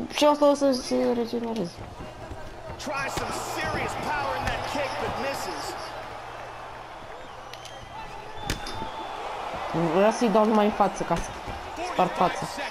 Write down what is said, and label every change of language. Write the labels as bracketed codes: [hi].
[ro] și asta o să se regenereze. [en] Try some serious power in that kick, but misses. [ro] Vreau să-i dau numai în față, ca să spar față.